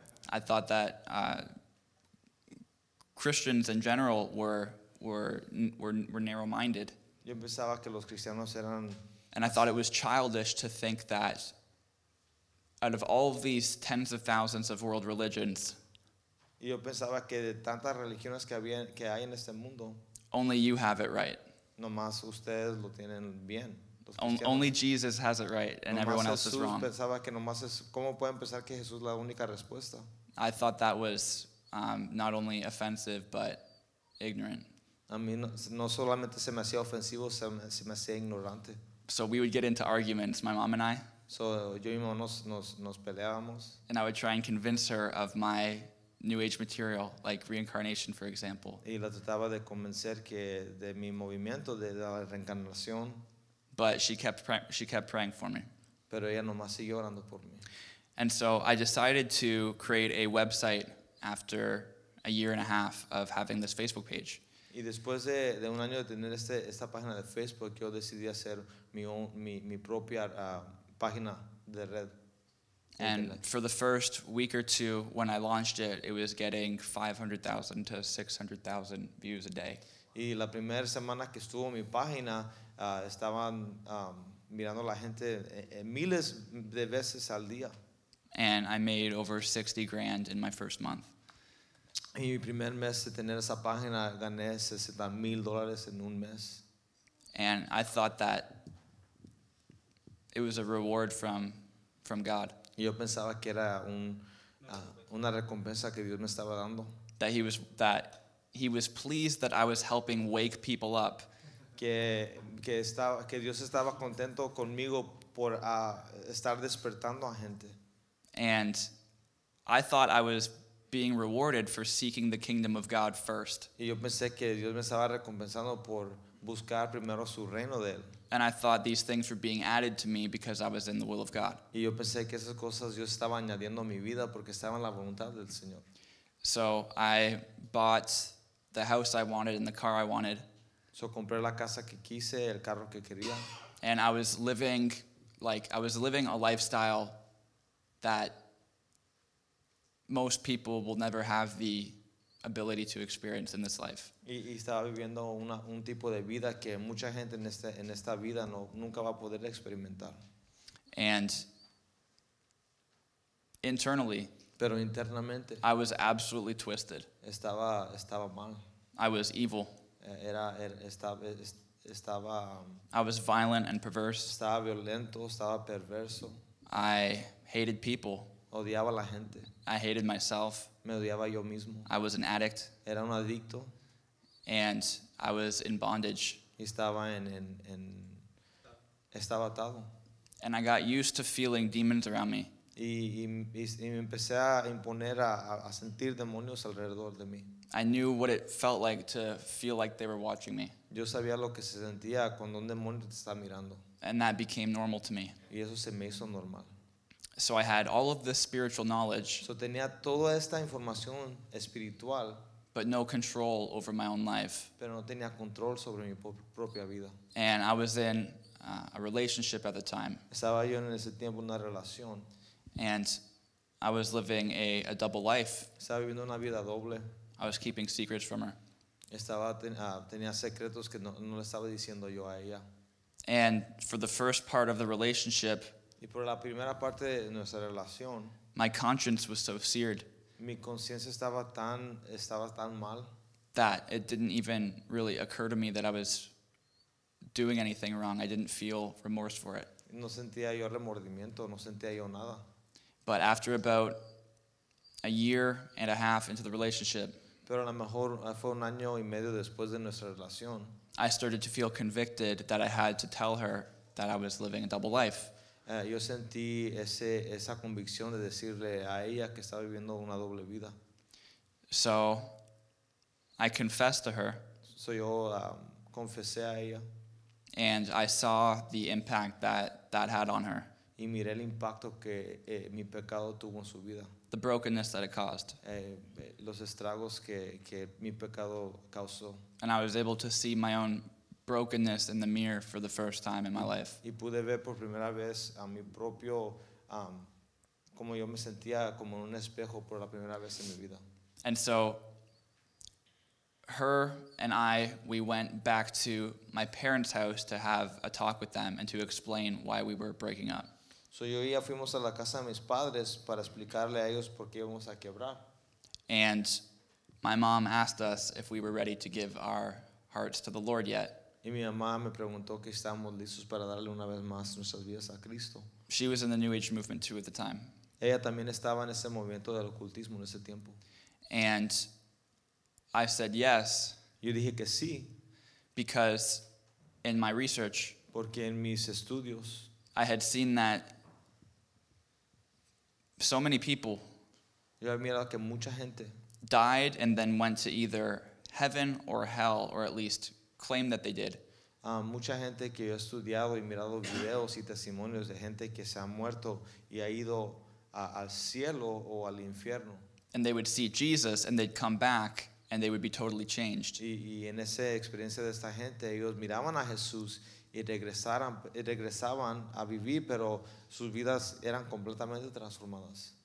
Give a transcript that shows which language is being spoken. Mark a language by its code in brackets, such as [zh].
[en] I thought that Christians in general were narrow-minded. [es] Yo pensaba que los cristianos eran. [en] And I thought it was childish to think that out of all of these tens of thousands of world religions, [es] yo pensaba que de tantas religiones que hay en este mundo, [en] only you have it right. [es] Nomás ustedes lo tienen bien. [en] Only Jesus has it right, and everyone else is wrong. [es] Pensaba que nomás es, ¿cómo pueden pensar que Jesús es la única respuesta? [en] I thought that was not only offensive, but ignorant. [es] A mí no solamente se me hacía ofensivo, se me hacía ignorante. [en] So we would get into arguments, my mom and I. [es] So yo y mi mamá nos peleábamos. [en] And I would try and convince her of my New Age material, like reincarnation, for example. [es] Y la trataba de convencer que de mi movimiento de la reencarnación. [en] But she kept praying for me. [es] Pero ella nomás siguió orando por mí. [en] And so I decided to create a website after a year and a half of having this Facebook page. [es] Y después de un año de tener esta página de Facebook, yo decidí hacer mi propia página de red. [en] And for the first week or two when I launched it, it was getting 500,000 to 600,000 views a day. [es] Y la primera semana que estuvo mi página, estaban mirando la gente miles de veces al día. [en] And I made over 60 grand in my first month. [es] Y mi primer mes de tener esa página gané $60,000 en un mes. [en] And I thought that it was a reward from God. [es] Yo pensaba que era una recompensa que Dios me estaba dando. [en] That he was pleased that I was helping wake people up. [es] Que Dios estaba contento conmigo por estar despertando a gente. [en] And I thought I was being rewarded for seeking the kingdom of God first. [es] Y yo pensé que Dios me estaba recompensando por buscar primero su reino de él. [en] And I thought these things were being added to me because I was in the will of God. [es] Y yo pensé que esas cosas Dios estaba añadiendo a mi vida porque estaba en la voluntad del Señor. [en] So I bought the house I wanted and the car I wanted. [es] So compré la casa que quise, el carro que quería. [en] And I was living a lifestyle that most people will never have the ability to experience in this life. [es] Y estaba viviendo un tipo de vida que mucha gente en esta vida no nunca va a poder experimentar. [en] And internally, [es] pero internamente, [en] I was absolutely twisted. [es] Estaba mal. [en] I was evil. [es] Estaba. [en] I was violent and perverse. [es] Estaba violento. Estaba perverso. [en] I hated people. [es] Odiaba a la gente. [en] I hated myself. [es] Me odiaba yo mismo. [en] I was an addict. [es] Era un adicto. [en] And I was in bondage. [es] Y estaba en estaba atado. [en] And I got used to feeling demons around me. [es] Y me empecé a imponer a sentir demonios alrededor de mí. [en] I knew what it felt like to feel like they were watching me. [es] Yo sabía lo que se sentía cuando un demonio te está mirando. [en] And that became normal to me. [es] Y eso se me hizo normal. [en] So I had all of this spiritual knowledge. [es] So tenía toda esta información espiritual. [en] But no control over my own life. [es] Pero no tenía control sobre mi propia vida. [en] And I was in a relationship at the time. [es] Estaba yo en ese tiempo una relación. [en] And I was living a double life. [es] Estaba viviendo una vida doble. [en] I was keeping secrets from her. [es] Estaba tenía secretos que no le estaba diciendo yo a ella. [en] And for the first part of the relationship, [es] y por la primera parte de nuestra relación, [en] my conscience was so seared. [es] Mi conciencia estaba tan mal [en] that it didn't even really occur to me that I was doing anything wrong. I didn't feel remorse for it. [es] No sentía yo remordimiento, no sentía yo nada. [en] But after about a year and a half into the relationship, [es] pero a lo mejor fue un año y medio después de nuestra relación, [en] I started to feel convicted that I had to tell her that I was living a double life. [es] Yo sentí esa convicción de decirle a ella que estaba viviendo una doble vida. [en] So I confessed to her. [es] So yo confesé a ella. [en] And I saw the impact that had on her. [es] Y miré el impacto que mi pecado tuvo en su vida. [en] The brokenness that it caused. [es] Los estragos que mi pecado causó. [en] And I was able to see my own brokenness in the mirror for the first time in my life. [es] Y pude ver por primera vez a mi propio como yo me sentía como en un espejo por la primera vez en mi vida. [en] And so her and I, we went back to my parents' house to have a talk with them and to explain why we were breaking up. [es] So yo y ella fuimos a la casa de mis padres para explicarle a ellos por qué íbamos a quebrar. [en] And my mom asked us if we were ready to give our hearts to the Lord yet. [es] Y mi mamá me preguntó que estábamos listos para darle una vez más nuestras vidas a Cristo. [en] She was in the New Age movement too at the time. [es] Ella también estaba en ese movimiento del ocultismo en ese tiempo. [en] And I said yes. [es] Yo dije que sí. [en] Because in my research, [es] porque en mis estudios, [en] I had seen that so many people, [es] yo había mirado que mucha gente, [en] died and then went to either heaven or hell, or at least claim that they did. [es] Mucha gente que yo he estudiado y mirado videos y testimonios de gente que se ha muerto y ha ido al cielo o al infierno. [en] And they would see Jesus and they'd come back and they would be totally changed. [es] Y en esa experiencia de esta gente, ellos miraban a Jesús y regresaban a vivir, pero sus vidas eran completamente transformadas.